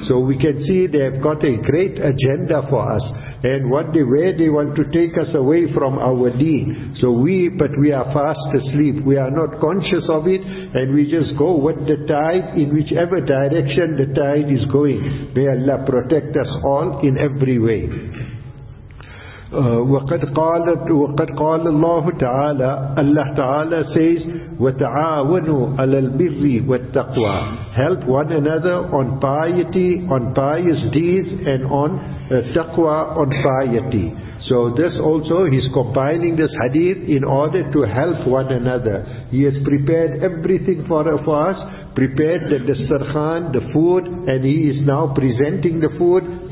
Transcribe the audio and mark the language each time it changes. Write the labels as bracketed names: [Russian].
[English] So we can see they have got a great agenda for us. And what they, where they want to take us away from our deen. So we are fast asleep. We are not conscious of it. And we just go with the tide in whichever direction the tide is going. May Allah protect us all in every way. [Arabic] وَقَدْ قَالَ اللَّهُ تَعَالَى. [English] Allah Ta'ala says, [Arabic] وَتَعَاوَنُوا عَلَى الْبِرِّ وَالتَّقْوَى. [English] Help one another on piety, on pious deeds, and on taqwa, on piety. So this also, he's compiling this hadith in order to help one another. He has prepared everything for us, prepared the dasturkhan, the food, and he is now presenting the food.